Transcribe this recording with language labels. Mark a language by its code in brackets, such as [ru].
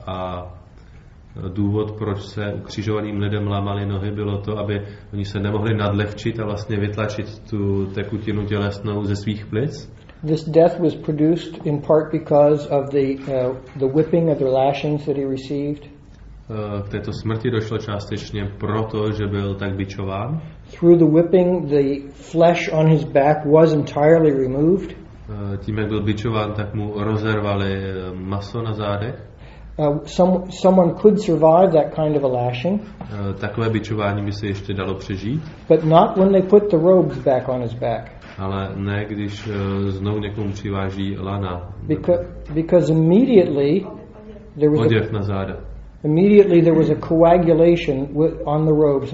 [cs] A důvod, proč se ukřižovaným lidem lámaly nohy, bylo to, aby oni se nemohli nadlehčit a vlastně vytlačit tu tekutinu tělesnou ze svých plic. [en] This death was produced in part because of the whipping of the lashings that he received. [cs] K této smrti došlo částečně proto, že byl tak bičován. [en] Through the whipping, the flesh on his back was entirely removed. [cs] Tím, jak byl bičován, tak mu rozervali maso na zádech. [en] Someone could survive that kind of a lashing. [cs] Takové bičování by se ještě dalo přežít. [en] But not when they put the robes back on his back. [cs] Ale ne, když znovu někomu přiváží lana. [en] Because immediately there was [cs] oděv na záda. [en] Immediately there was a coagulation on the robes.